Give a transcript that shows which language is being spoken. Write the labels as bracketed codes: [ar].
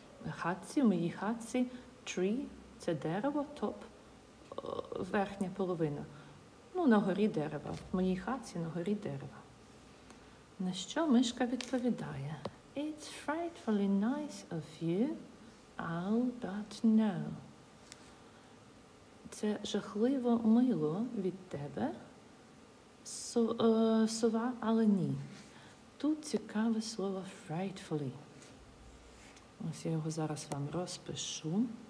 [uk] Хатці, в моїй хатці, tree – це дерево, top – верхня половина. Ну, на горі дерева. В моїй хатці на горі дерева. На що мишка відповідає? [en] It's frightfully nice of you, owl, but no. [uk] Це жахливо мило від тебе, сова, але ні. Тут цікаве слово «frightfully». Ось я його зараз вам розпишу.